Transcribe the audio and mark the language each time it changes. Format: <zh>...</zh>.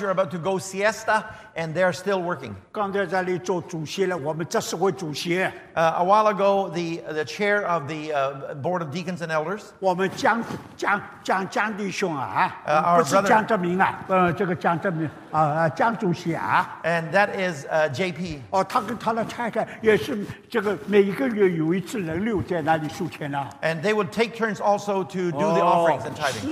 <en>You're about to go siesta, and they are still working.</en> <zh>刚才在那里做主席了，我们这是为主席。</zh> <en>A while ago, the chair of the board of deacons and elders.</en> <zh>我们江弟兄啊，</zh> <en>our brother,</en> <zh>不是江泽民啊， 这个江泽民。江主席啊，</zh> <en>and that is JP.</en> <zh>哦，他跟他的太太也是这个每一个月有一次轮流在那里数钱呢。And</zh> <en>they would take turns also to do the offerings and tithing.</en>